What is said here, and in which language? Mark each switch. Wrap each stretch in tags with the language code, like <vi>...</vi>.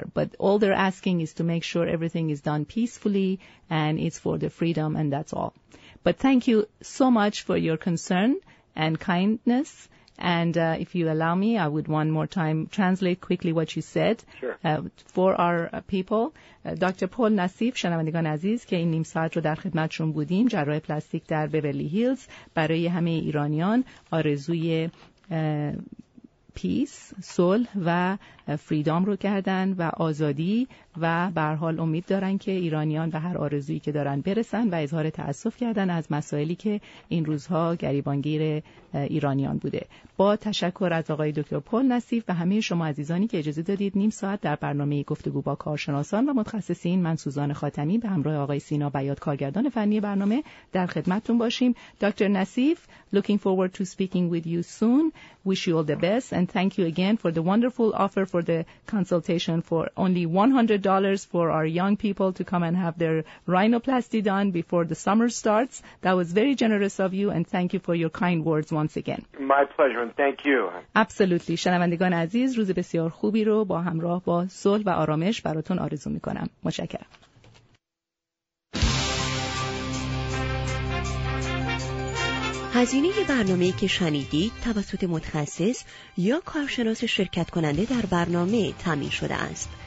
<en>But all they're asking is to make sure everything is done peacefully and it's for the freedom, and that's all. But thank you so much for your concern and kindness. And if you allow me, I would one more time translate quickly what you said. Sure. For our people, Dr.</en> <fa>Paul Nassif, شنوندگان عزیز که این نیم ساعت رو در خدمتشون بودیم، جراح پلاستیک در بیورلی هیلز، برای همه ایرانیان آرزوی پیس، صلح و فریدام رو کردن و آزادی و به هر حال امید دارن که ایرانیان به هر آرزویی که دارن برسن و اظهار تأسف کردن از مسائلی که این روزها گریبانگیر ایرانیان بوده. با تشکر از آقای دکتر پول نصیف و همه شما عزیزانی که اجازه دادید نیم ساعت در برنامه گفتگو با کارشناسان و متخصصین، من سوزان خاتمی به همراه آقای سینا بیات کارگردان فنی برنامه در خدمتتون باشیم.</fa> <en>دکتر نصیف، looking forward to speaking with you soon. Wish you all the best and thank you again for the wonderful offer for the consultation for only $100 for our young people to come and have their rhinoplasty done before the summer starts. That was very generous of you and thank you for your kind words once again. My pleasure and thank you. Absolutely.</en> <fa>شنوندگان عزیز، روز بسیار خوبی رو با همراه با صلح و آرامش براتون آرزو میکنم. متشکرم. هزینه برنامه‌ای که شنیدید توسط متخصص یا کارشناس شرکت کننده در برنامه تامین شده است.</fa>